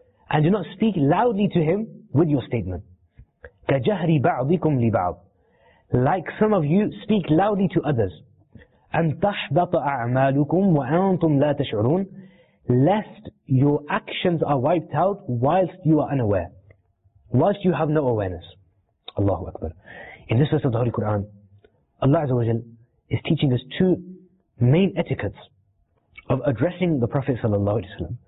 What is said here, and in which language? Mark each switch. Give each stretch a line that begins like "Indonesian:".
English: And do not speak loudly to him with your statement.
Arabic: كجهر بعضكم لبعض.
English: Like some of you speak loudly to others.
Arabic: أن تحبط أعمالكم وأنتم لا تشعرون.
English: Lest your actions are wiped out whilst you are unaware, whilst you have no awareness. Allahu Akbar. In this verse of the Holy Quran, Allah Azza wa Jal is teaching us two main etiquettes of addressing the Prophet sallallahu alaihi wasallam.